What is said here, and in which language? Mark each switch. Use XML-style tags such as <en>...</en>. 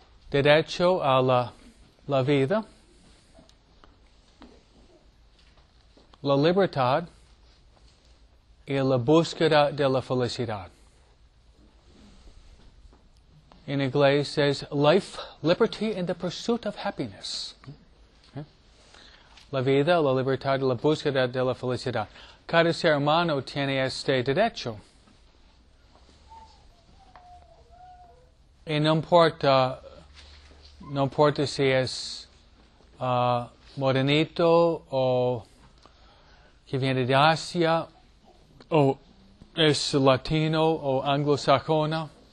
<es>Derecho a la vida, la libertad y la búsqueda de la felicidad.</es> <en>In English says life, liberty and the pursuit of happiness.</en> <es>La vida, la libertad, la búsqueda de la felicidad. Cada ser humano tiene este derecho. Y no importa si es morenito o que viene de Asia o es latino o anglosajona.</es>